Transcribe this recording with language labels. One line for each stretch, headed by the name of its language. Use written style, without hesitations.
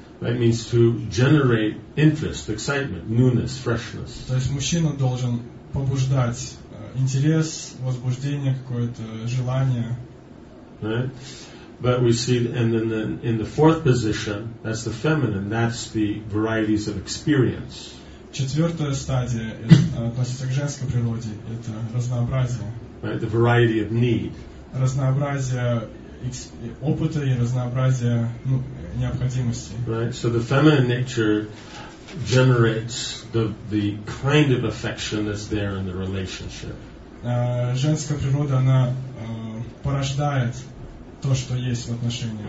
English: That means to generate interest, excitement, newness, freshness.
Russian: То есть мужчина должен побуждать интерес, возбуждение какое-то, желание.
English: But we see, and then in the fourth position, that's the feminine, that's the varieties of experience.
Russian: Четвертая стадия относится к женской природе, это разнообразие.
English: Right, the variety of need.
Russian: Разнообразие опыта и разнообразие необходимости.
English: Right, so the feminine nature generates the kind of affection that's there in the relationship.
Russian: Женская природа, она порождает то, что есть в отношениях.